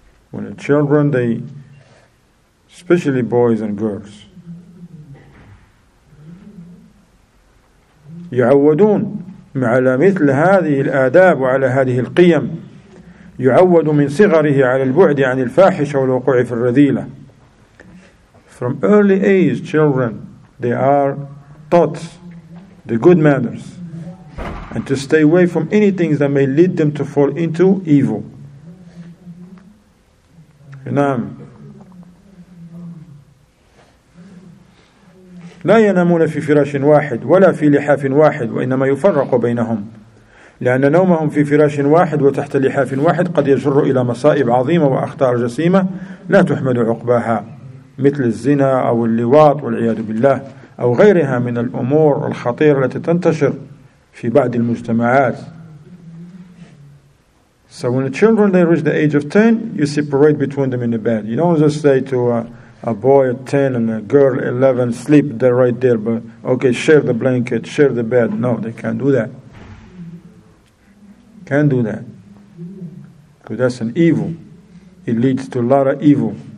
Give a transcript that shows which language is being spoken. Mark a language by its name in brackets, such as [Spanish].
[English] When the children, they, especially boys and girls, [Arabic] يعودون على مثل هذه الآداب وعلى هذه القيم يعود من صغره على البعد عن الفاحشة والوقوع في الرذيلة. [English] From early age, children, they are taught the good manners and to stay away from anything that may lead them to fall into evil. [Arabic] نعم. لا ينامون في فراش واحد ولا في لحاف واحد وإنما يفرق بينهم لأن نومهم في فراش واحد وتحت لحاف واحد قد يجر إلى مصائب عظيمة وأخطار جسيمة لا تحمل عقباها مثل الزنا أو اللواط والعياذ بالله أو غيرها من الأمور الخطيرة التي تنتشر في بعض المجتمعات. [English] So when the children they reach the age of 10, you separate between them in the bed. You don't just say to a boy at 10 and a girl 11, sleep there right there, but okay, share the blanket, share the bed. No, they can't do that. Can't do that. Because that's an evil. It leads to a lot of evil.